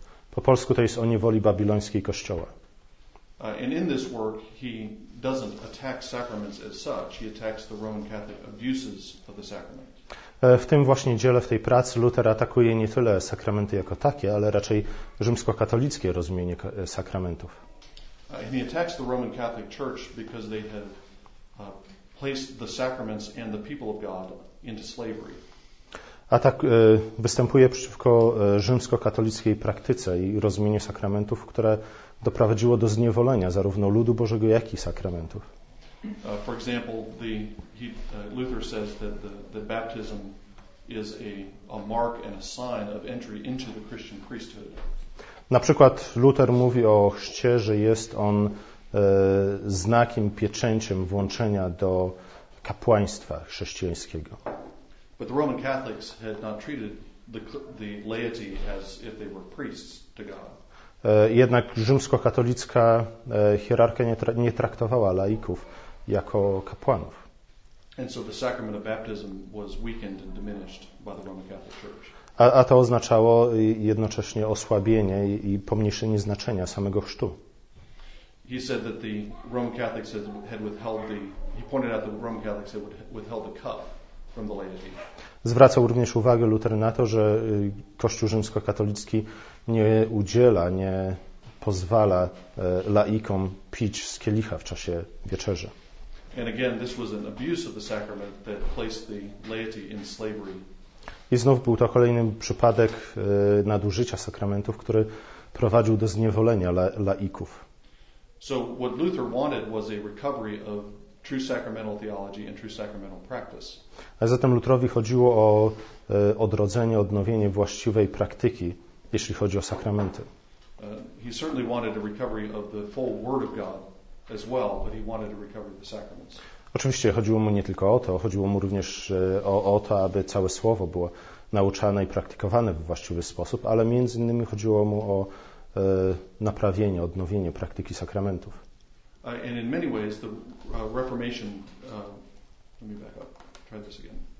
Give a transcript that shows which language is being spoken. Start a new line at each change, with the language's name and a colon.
Polish: Po polsku to jest o niewoli babilońskiej Kościoła.
English: And in this work he doesn't attack sacraments as such, he attacks the Roman Catholic abuses of the sacrament.
Polish: W tym właśnie dziele, w tej pracy Luther atakuje nie tyle sakramenty jako takie, ale raczej rzymskokatolickie rozumienie sakramentów.
English: He attacks the Roman Catholic Church because they have placed the sacraments and the people of God into slavery.
Polish: Występuje przeciwko rzymskokatolickiej praktyce i rozumieniu sakramentów, które doprowadziło do zniewolenia zarówno ludu Bożego, jak i sakramentów.
English: For example, Luther says that the baptism is a mark and a sign of entry into the Christian priesthood.
Polish: Na przykład Luther mówi o chrzcie, że jest on znakiem, pieczęciem włączenia do kapłaństwa chrześcijańskiego.
English: But the Roman Catholics had not treated the laity as if they were priests to God.
Polish: Jednak rzymskokatolicka hierarchia nie traktowała laików jako kapłanów.
English: And so the sacrament of baptism was weakened and diminished by the Roman Catholic Church.
Polish: A to oznaczało jednocześnie osłabienie i pomniejszenie znaczenia samego chrztu.
English: He said that the Roman Catholics had withheld the. He pointed out that the Roman Catholics had withheld the cup from the laity.
Polish: Zwracał również uwagę Luter na to, że Kościół rzymskokatolicki nie udziela, nie pozwala laikom pić z kielicha w czasie wieczerzy.
English: And again, this was an abuse of the sacrament that placed the laity in slavery.
Polish: I znów był to kolejny przypadek nadużycia sakramentów, który prowadził do zniewolenia laików.
English: So what Luther wanted was a recovery of true sacramental theology and true sacramental practice.
Polish: A zatem Lutrowi chodziło o odrodzenie, odnowienie właściwej praktyki, jeśli chodzi o sakramenty.
English: He certainly wanted a recovery of the full word of God as well, but he wanted a recovery of the sacraments.
Polish: Oczywiście chodziło mu nie tylko o to, chodziło mu również o to, aby całe słowo było nauczane i praktykowane w właściwy sposób, ale między innymi chodziło mu o naprawienie, odnowienie praktyki sakramentów.
English: And in many ways the Reformation, let me back up, try this again.